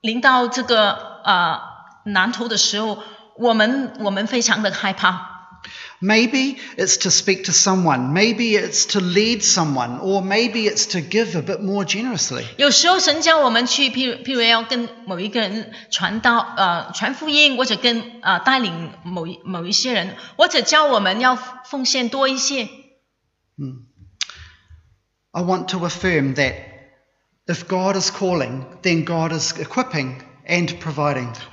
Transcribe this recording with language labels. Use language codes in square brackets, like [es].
[zh] 好像我们一样，我们知道神呼召我们去做这个事工，但是到临到这个难途的时候。我们非常的害怕。 [en] Maybe it's to speak to someone, maybe it's to lead someone, or maybe it's to give a bit more generously. [zh] 有时候神叫我们去，譬如要跟某一个人传道，传福音，或者跟带领某一些人，或者叫我们要奉献多一些。 [en] I want to affirm that if God is calling, then God is equipping and providing.